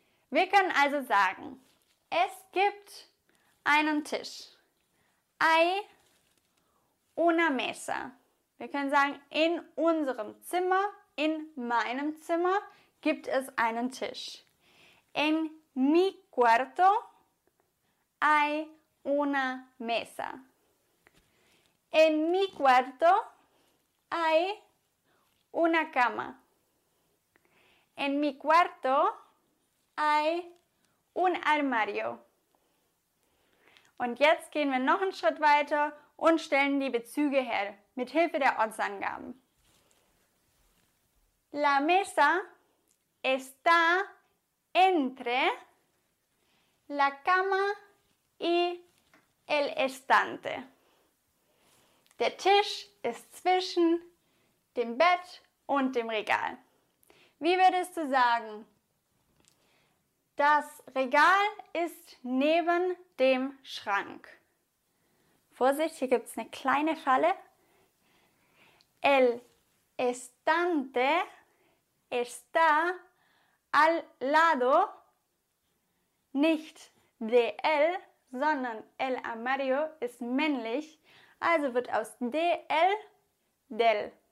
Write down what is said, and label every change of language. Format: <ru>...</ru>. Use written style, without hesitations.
<de>Wir können also sagen, es gibt einen Tisch.</de> <es>Hay una mesa.</es> <de>Wir können sagen, in unserem Zimmer, in meinem Zimmer gibt es einen Tisch.</de> <es>En mi cuarto hay una mesa. En mi cuarto hay una cama. En mi cuarto hay un armario.</es> <de>Und jetzt gehen wir noch einen Schritt weiter und stellen die Bezüge her mit Hilfe der Ortsangaben.</de> <es>La mesa está entre la cama y el estante.</es> <de>Der Tisch ist zwischen dem Bett und dem Regal. Wie würdest du sagen? Das Regal ist neben dem Schrank. Vorsicht, hier gibt es eine kleine Falle.</de> <es>El estante está al lado,</es> <de>nicht</de> <es>de él,</es> <de>sondern</de> <es>el armario</es> <de>ist männlich, also wird aus de él, del.</de>